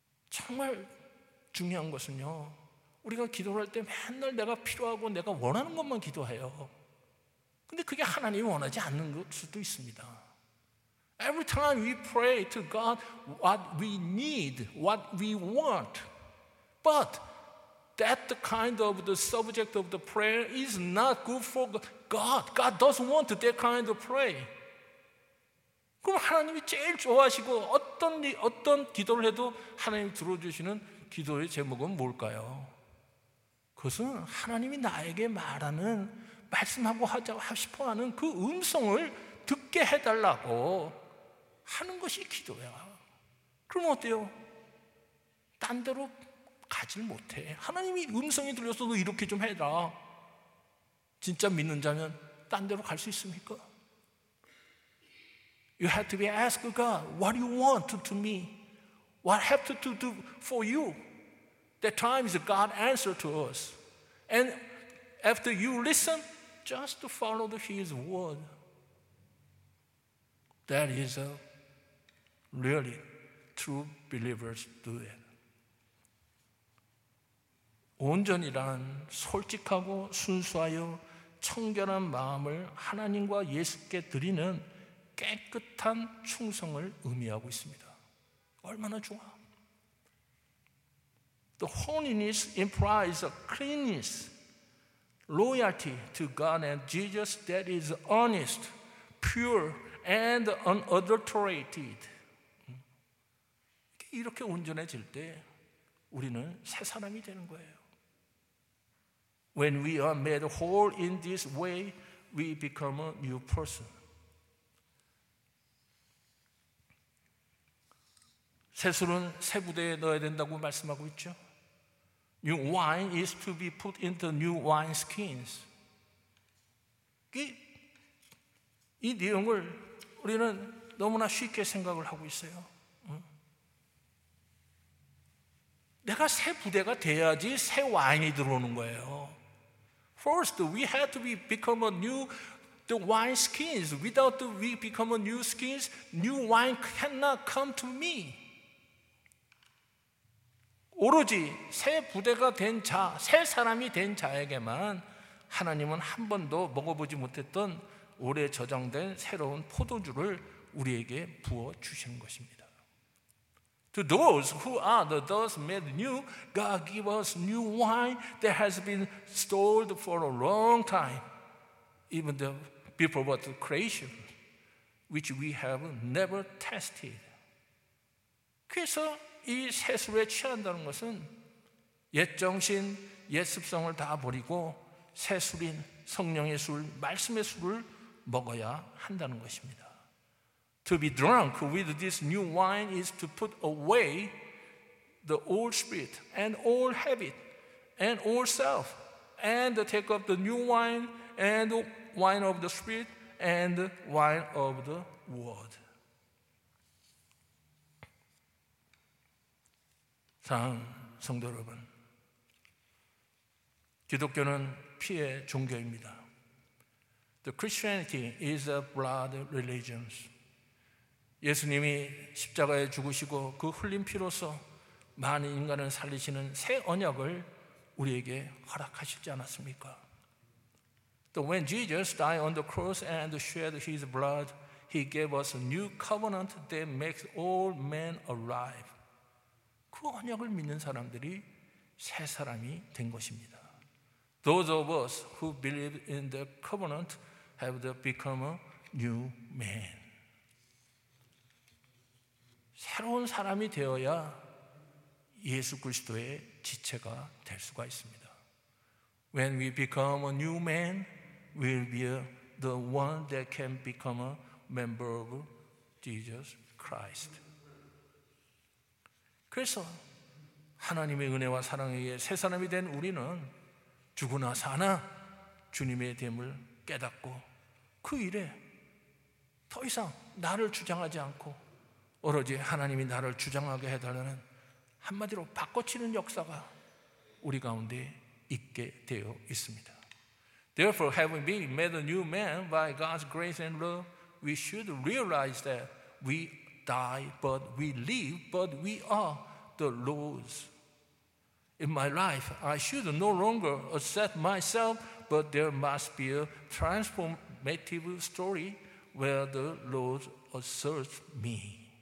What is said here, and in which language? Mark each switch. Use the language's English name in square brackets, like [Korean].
[Korean] 정말 중요한 것은요, 우리가 기도를 할 때 맨날 내가 필요하고 내가 원하는 것만 기도해요. 근데 그게 하나님이 원하지 않는 것 수도 있습니다. [English] Every time we pray to God what we need, what we want, but that kind of the subject of the prayer is not good for God. God doesn't want that kind of prayer. [Korean] 그럼 하나님이 제일 좋아하시고 어떤 기도를 해도 하나님이 들어주시는 기도의 제목은 뭘까요? 그것은 하나님이 나에게 말하는, 말씀하고 싶어하는 그 음성을 듣게 해달라고 하는 것이 기도야. 그럼 어때요? 딴 데로 가질 못해. 하나님이 음성이 들렸어도 이렇게 좀 해라. 진짜 믿는 자면 딴 데로 갈 수 있습니까? [English] You have to be asked God, what do you want to do me? What have to do for you? That time is God's answer to us. And after you listen, just to follow his word. That is a really true believers do it. [Korean] 온전이란 솔직하고 순수하여 청결한 마음을 하나님과 예수께 드리는 깨끗한 충성을 의미하고 있습니다. 얼마나 좋아. [English] The holiness implies a cleanness, loyalty to God and Jesus that is honest, pure, and unadulterated. [Korean] 이렇게 온전해질 때 우리는 새 사람이 되는 거예요. [English] When we are made whole in this way, we become a new person. [Korean] 새 술은 새 부대에 넣어야 된다고 말씀하고 있죠. [English] New wine is to be put into new wine skins. [Korean] 이 내용을 우리는 너무나 쉽게 생각을 하고 있어요. 내가 새 부대가 돼야지 새 와인이 들어오는 거예요. [English] First, we have to become a new the wine skins. Without we become a new skins, new wine cannot come to me. [Korean] 오로지 새 부대가 된 자, 새 사람이 된 자에게만 하나님은 한 번도 먹어보지 못했던 오래 저장된 새로운 포도주를 우리에게 부어주신 것입니다. [English] To those who are the thus made new, God give us new wine that has been stored for a long time, even the before the creation, which we have never tasted. [Korean] 그래서 이 새 술에 취한다는 것은 옛 정신, 옛 습성을 다 버리고 새 술인 성령의 술, 말씀의 술을 먹어야 한다는 것입니다. [English] To be drunk with this new wine is to put away the old spirit and old habit and old self and take up the new wine and wine of the spirit and wine of the word. [Korean] 사랑하는 성도 여러분, 기독교는 피의 종교입니다. [English] The Christianity is a blood religion. [Korean] 예수님이 십자가에 죽으시고 그 흘린 피로서 많은 인간을 살리시는 새 언약을 우리에게 허락하시지 않았습니까? [English] So when Jesus died on the cross and shed his blood, he gave us a new covenant that makes all men alive. [Korean] 그 언약을 믿는 사람들이 새 사람이 된 것입니다. [English] Those of us who believe in the covenant have become a new man. [Korean] 새로운 사람이 되어야 예수 그리스도의 지체가 될 수가 있습니다. [English] When we become a new man, we'll be the one that can become a member of Jesus Christ. [Korean] 그래서 하나님의 은혜와 사랑에 의해 새 사람이 된 우리는 죽으나 사나 주님의 됨을 깨닫고 그 일에 더 이상 나를 주장하지 않고 오로지 하나님이 나를 주장하게 해달라는 한마디로 바꿔치는 역사가 우리 가운데 있게 되어 있습니다. [English] Therefore, having been made a new man by God's grace and love, we should realize that we die, but we live, but we are the Lord's. In my life, I should no longer accept myself, but there must be a transformative story where the Lord asserts me.